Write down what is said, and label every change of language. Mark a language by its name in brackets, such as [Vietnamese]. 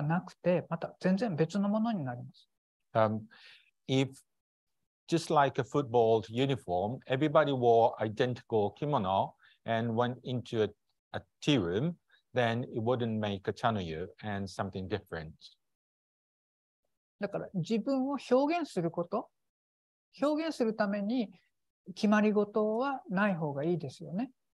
[Japanese] なんかフットボールのユニフォームみたいにみんな同じものを着て茶室に行ったりしたら、それは茶の湯ではなくてまた全然別のものになります。 [English] If just like a football uniform, everybody wore identical kimono and went into a tea room, then it wouldn't make a 茶の湯 and something different. [Japanese] だから自分を表現すること、表現するために 決まり事はない方がいいですよね。